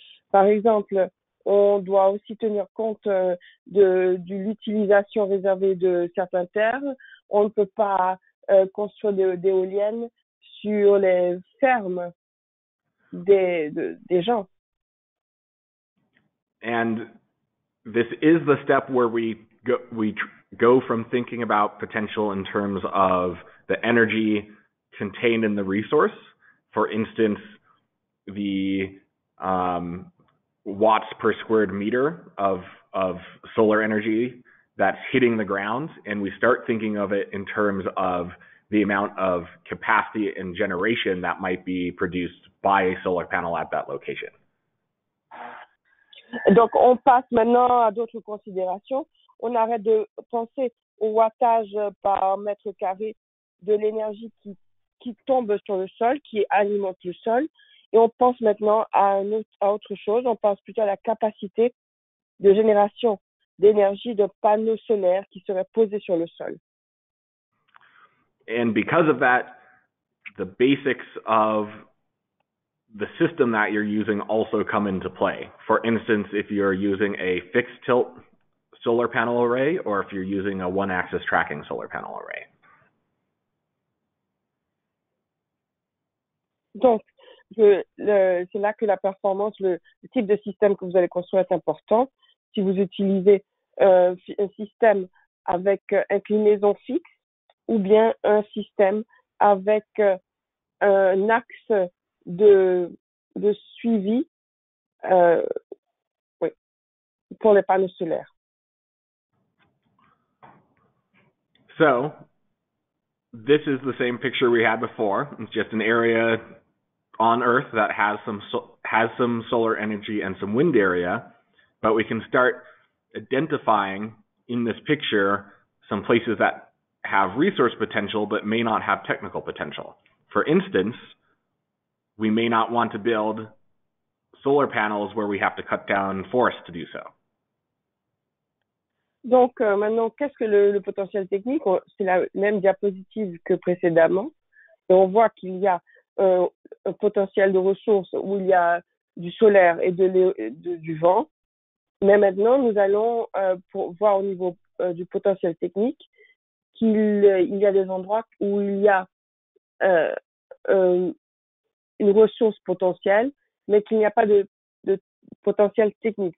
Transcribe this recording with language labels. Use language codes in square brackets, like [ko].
[fr] Par exemple, on doit aussi tenir compte de l'utilisation réservée de certaines terres. On ne peut pas construire d'éoliennes sur les fermes des gens. [en] And this is the step where we go from thinking about potential in terms of the energy contained in the resource. For instance, the watts per squared meter of solar energy that's hitting the ground, and we start thinking of it in terms of the amount of capacity and generation that might be produced by a solar panel at that location. [fr] Donc, on passe maintenant à d'autres considérations. On arrête de penser au wattage par mètre carré de l'énergie qui tombe sur le sol, qui alimente le sol. Et on pense maintenant à autre chose. On pense plutôt à la capacité de génération d'énergie d'un panneau solaire qui serait posé sur le sol. [en] And because of that, the basics of the system that you're using also come into play. For instance, if you're using a fixed tilt solar panel array or if you're using a one-axis tracking solar panel array. [fr] Donc, c'est là que la performance, le type de système que vous allez construire est important. Si vous utilisez un système avec inclinaison fixe, ou bien un système avec un axe de suivi pour les panneaux solaires. [en] So, this is the same picture we had before. It's just an area on Earth that has some solar energy and some wind area, but we can start identifying in this picture some places that have resource potential but may not have technical potential. For instance, we may not want to build solar panels where we have to cut down forests to do so. [fr] Donc maintenant, qu'est-ce que le potentiel technique? C'est la même diapositive que précédemment. Et on voit qu'il y a un potentiel de ressources où il y a du solaire et du vent. Mais maintenant, nous allons voir au niveau du potentiel technique qu'il y a des endroits où il y a une ressource potentielle, mais qu'il n'y a pas de potentiel technique.